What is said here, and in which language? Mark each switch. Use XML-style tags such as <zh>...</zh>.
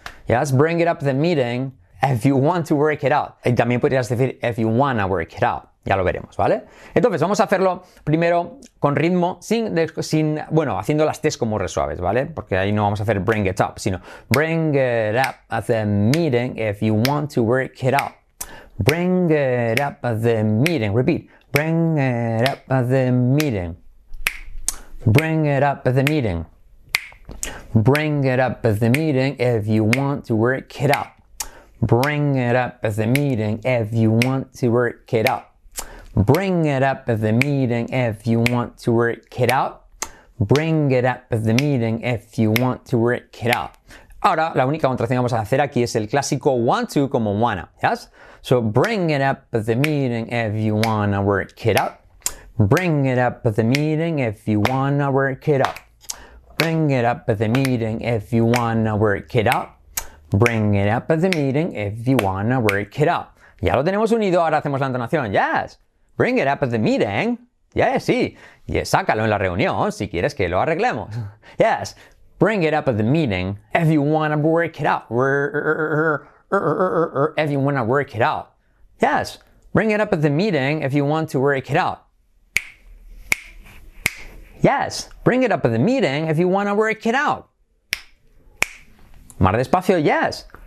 <en>Yes, bring it up the meeting if you want to work it out.</en> <es>Y también podrías decir</es> <en>if you wanna work it out.</en> <es>Ya lo veremos, ¿vale? Entonces, vamos a hacerlo primero con ritmo, sin haciendo las T's como resuaves, ¿vale? Porque ahí no vamos a hacer</es> <en>bring it up,</en> <es>sino</es> <en>bring it up at the meeting if you want to work it out. Bring it up at the meeting. Repeat. Bring it up at the meeting. Bring it up at the meeting. Bring it up at the meeting if you want to work it out. Bring it up at the meeting if you want to work it out. Bring it up at the meeting if you want to work it out. Bring it up at the meeting if you want to work it out.</en> <es>Ahora, la única contracción que vamos a hacer aquí es el clásico want to como wanna, ¿yes?</es> <en>So, bring it up at the meeting if you wanna work it out. Bring it up at the meeting if you wanna work it out. Bring it up at the meeting if you wanna work it out. Bring it up at the meeting if you wanna work it out.</en> <es>Ya lo tenemos unido, ahora hacemos la entonación.</es> <en>Yes. Bring it up at the meeting. Yes,</en> <es>sí. Yes, sácalo en la reunión si quieres que lo arreglemos.</es> <en>Yes. Bring it up at the meeting if you wanna work it out. If you wanna work it out. Yes. Bring it up at the meeting if you want to work it out. Yes, bring it up at the meeting if you want to work it out.</en> <es>Más despacio,</es> <en>yes.</en>